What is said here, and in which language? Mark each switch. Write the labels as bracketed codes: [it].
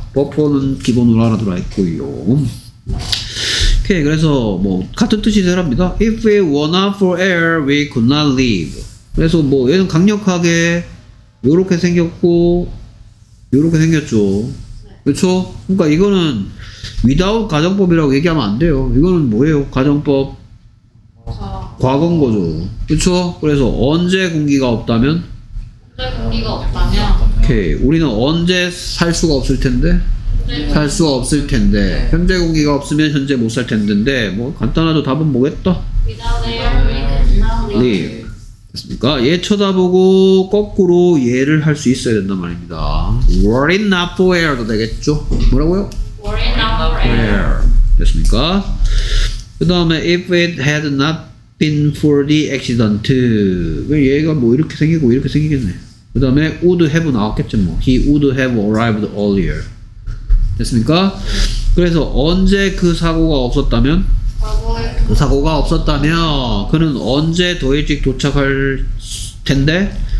[ko] 버퍼는 기본으로 알아들어 있고요. 오케이. 그래서 뭐 같은 뜻이 되랍니다. [en] If it were not for air, we could not live. [ko] 그래서 뭐 얘는 강력하게 요렇게 생겼고 요렇게 생겼죠. 그렇죠? 그러니까 이거는 without 가정법이라고 얘기하면 안 돼요. 이거는 뭐예요? 가정법 과거인 거죠. 그렇죠? 그래서 언제 공기가 없다면 공기가 없다면 오케이. 우리는 언제 살 수가 없을 텐데? 살 수가 없을 텐데. 네. 현재 공기가 없으면 현재 못 살 텐데. 뭐 간단하죠. 답은 뭐겠다? [en] Without air, we cannot live. [ko] 됐습니까? 얘 쳐다보고 거꾸로 얘를 할 수 있어야 된단 말입니다. [en] Worry not for air도 [ko] 되겠죠? 뭐라고요? [en] Worry not for air. [ko] 됐습니까? 그 다음에 [en] if it had not been for the accident. [ko] 왜 얘가 뭐 이렇게 생기고 이렇게 생기겠네. 그 다음에 [en] would have [ko] 나왔겠지 뭐. [en] He would have arrived earlier. [ko] 됐습니까? 그래서 언제 그 사고가 없었다면? 그 사고가 없었다면 그는 언제 더 일찍 도착할 텐데?